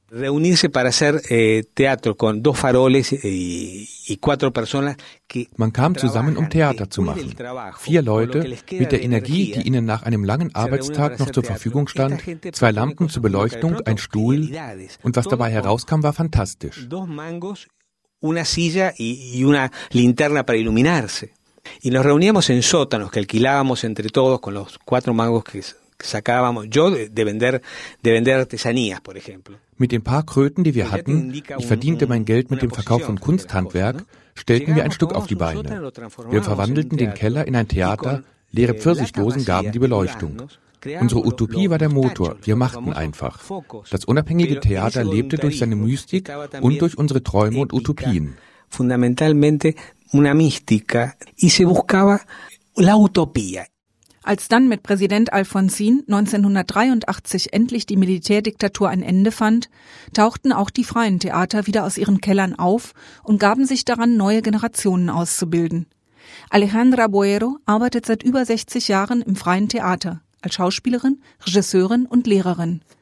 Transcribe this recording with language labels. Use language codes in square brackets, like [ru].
[de] Man kam zusammen, um Theater zu machen. Vier Leute mit der Energie, die ihnen nach einem langen Arbeitstag noch zur Verfügung stand, zwei Lampen zur Beleuchtung, ein Stuhl und was dabei herauskam, war fantastisch. [es] Una silla y una linterna para iluminarse. Y nos reuníamos en sótanos que alquilábamos entre todos con los cuatro magos que sacábamos yo de vender artesanías, por ejemplo. [de] Mit den paar Kröten, die wir hatten, ich verdiente mein Geld mit dem Verkauf von Kunsthandwerk, stellten wir ein Stück auf die Beine. Wir verwandelten den Keller in ein Theater, leere Pfirsichdosen gaben die Beleuchtung. Unsere Utopie war der Motor, wir machten einfach. Das unabhängige Theater lebte durch seine Mystik und durch unsere Träume und Utopien. [es] Fundamentalmente una mística y se buscaba la utopía. [de] Als dann mit Präsident Alfonsin 1983 endlich die Militärdiktatur ein Ende fand, tauchten auch die freien Theater wieder aus ihren Kellern auf und gaben sich daran, neue Generationen auszubilden. Alejandra Boero arbeitet seit über 60 Jahren im freien Theater, als Schauspielerin, Regisseurin und Lehrerin.